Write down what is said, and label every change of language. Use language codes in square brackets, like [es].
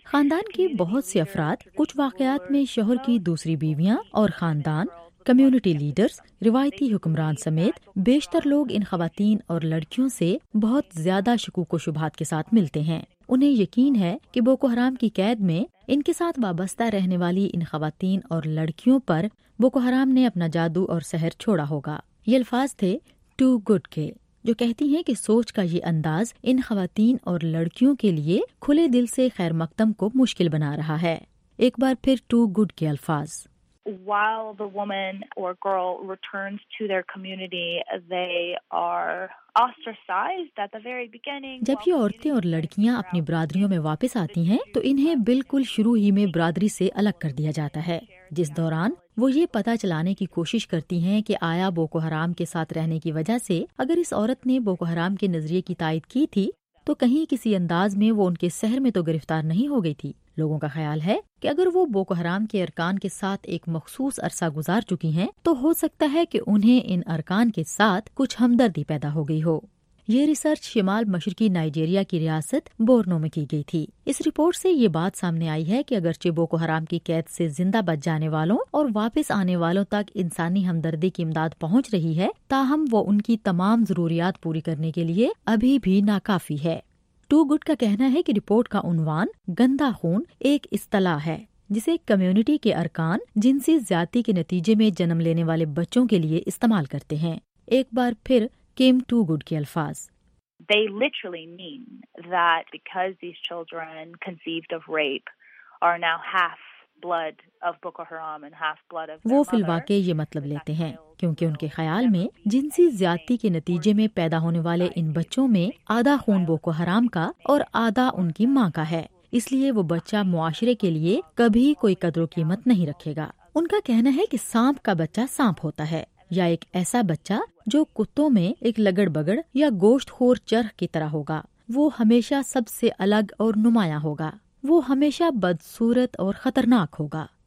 [ur] خاندان کے بہت سے افراد، کچھ واقعات میں شوہر کی دوسری بیویاں اور خاندان، کمیونٹی لیڈرز، روایتی حکمران سمیت بیشتر لوگ ان خواتین اور لڑکیوں سے بہت زیادہ شکوک و شبہات کے ساتھ ملتے ہیں۔ انہیں یقین ہے کہ بوکو حرام کی قید میں ان کے ساتھ وابستہ رہنے والی ان خواتین اور لڑکیوں پر بوکو حرام نے اپنا جادو اور سحر چھوڑا ہوگا۔ یہ الفاظ تھے ٹو گڈ کے، جو کہتی ہیں کہ سوچ کا یہ انداز ان خواتین اور لڑکیوں کے لیے کھلے دل سے خیر مقدم کو مشکل بنا رہا ہے۔ ایک بار پھر ٹو گڈ کے الفاظ۔ [en] While the woman or girl returns to their community, they are ostracized at the very beginning. [ur] جب یہ عورتیں اور لڑکیاں اپنی برادریوں میں واپس آتی ہیں تو انہیں بالکل شروع ہی میں برادری سے الگ کر دیا جاتا ہے، جس دوران وہ یہ پتہ چلانے کی کوشش کرتی ہیں کہ آیا بوکو حرام کے ساتھ رہنے کی وجہ سے اگر اس عورت نے بوکو حرام کے نظریے کی تائید کی تھی تو کہیں کسی انداز میں وہ ان کے سحر میں تو گرفتار نہیں ہو گئی تھی۔ لوگوں کا خیال ہے کہ اگر وہ بوکو حرام کے ارکان کے ساتھ ایک مخصوص عرصہ گزار چکی ہیں تو ہو سکتا ہے کہ انہیں ان ارکان کے ساتھ کچھ ہمدردی پیدا ہو گئی ہو۔ یہ ریسرچ شمال مشرقی نائجیریا کی ریاست بورنو میں کی گئی تھی۔ اس رپورٹ سے یہ بات سامنے آئی ہے کہ اگرچہ بوکو حرام کی قید سے زندہ بچ جانے والوں اور واپس آنے والوں تک انسانی ہمدردی کی امداد پہنچ رہی ہے، تاہم وہ ان کی تمام ضروریات پوری کرنے کے لیے ابھی بھی ناکافی ہے۔ ٹو گڈ کا کہنا ہے کہ رپورٹ کا عنوان گندا خون ایک اصطلاح ہے جسے کمیونٹی کے ارکان جنسی زیادتی کے نتیجے میں جنم لینے والے بچوں کے لیے استعمال کرتے ہیں۔ ایک بار پھر came too good کے الفاظ۔ [en] They literally mean that because these children conceived of rape are now half blood of Boko Haram and half blood of their mother. [ur] وہ فی الواقع یہ مطلب لیتے ہیں، کیونکہ ان کے خیال میں جنسی زیادتی کے نتیجے میں پیدا ہونے والے ان بچوں میں آدھا خون بوکو حرام کا اور آدھا ان کی ماں کا ہے، اس لیے وہ بچہ معاشرے کے لیے کبھی کوئی قدر و قیمت نہیں رکھے گا۔ ان کا کہنا ہے کہ سانپ کا بچہ سانپ ہوتا ہے، یا ایک ایسا بچہ جو کتوں میں ایک لگڑ بگڑ یا گوشت خور چرخ کی طرح ہوگا، وہ ہمیشہ سب سے الگ اور نمایاں ہوگا، وہ ہمیشہ بدصورت اور خطرناک ہوگا